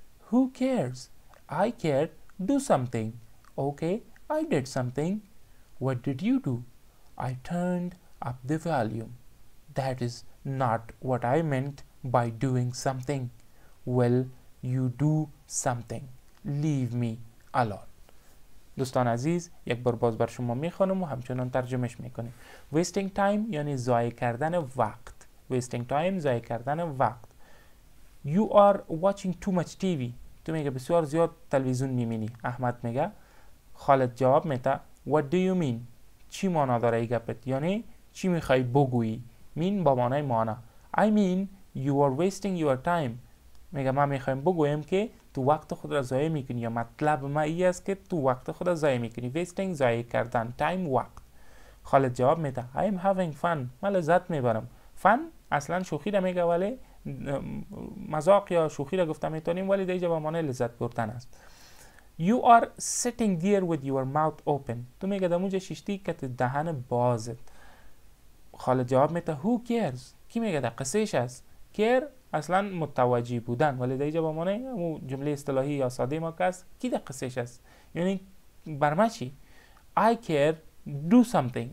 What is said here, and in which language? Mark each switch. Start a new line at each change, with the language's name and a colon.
English: Who cares? I care. Do something. Okay, I did something. What did you do? I turned up the volume. That is not what I meant by doing something. Well, you do something. Leave me alone.
Persian: دوستان عزیز، یک بار باز بر شما میخونم و همچنان ترجمهش میکنیم.
English: wasting time
Persian: یعنی ضایع کردن وقت. wasting time ضایع کردن وقت.
English: you are watching too much TV.
Persian: تو میگه بسیار زیاد تلویزیون میبینی. احمد میگه، خالد جواب میده،
English: what do you mean؟
Persian: چی معنا داره ای گپت؟ یعنی چی میخوای بگویی؟ mean با معنای معنا.
English: I mean you are wasting your time.
Persian: میگه من میخوام بگویم که تو وقت خود را ضایع میکنی، یا مطلب ما ای است که تو وقت خود را ضایع میکنی. wasting ضایع کردن، time وقت. خالد جواب میده،
English: I am having fun.
Persian: من لذت میبرم. fun اصلا شوخی را میگه، ولی مذاق یا شوخی را گفته میتونیم، ولی در اینجا به معنی لذت بردن است.
English: you are sitting there with your mouth open.
Persian: تو میگه در اونجا شیشتی که دهن بازت. خالد جواب میده،
English: who cares؟
Persian: کی میگه در قصهش است؟ care اصلا متوجه بودن، ولی در اینجا با معنی اون جمله اصطلاحی یا ساده ما که است، کی در قصهش است؟ یعنی بر ما چی؟
English: I care, do something.